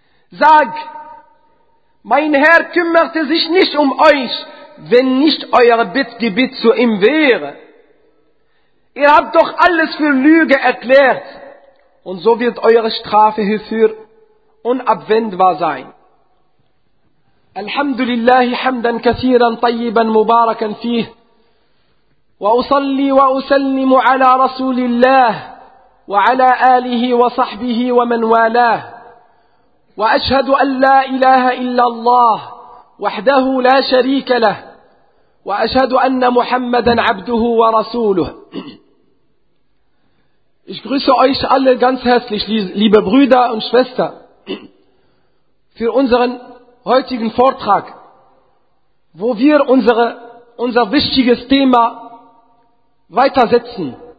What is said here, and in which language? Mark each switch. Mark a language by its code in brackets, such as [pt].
[de] Sag, mein Herr kümmerte sich nicht um euch, wenn nicht euer Gebet zu ihm wäre. Ihr habt doch alles für Lüge erklärt, und so wird eure Strafe hierfür unabwendbar sein. [ar] الحمد لله حمدا كثيرا طيبا مباركا فيه وأصلي وأسلم على رسول الله وعلى آله وصحبه ومن والاه وأشهد أن لا إله إلا الله وحده لا شريك له وأشهد أن محمدا عبده ورسوله. [de] Ich grüße euch alle ganz herzlich, liebe Brüder und Schwestern, für unseren heutigen Vortrag, wo wir unser wichtiges Thema weitersetzen.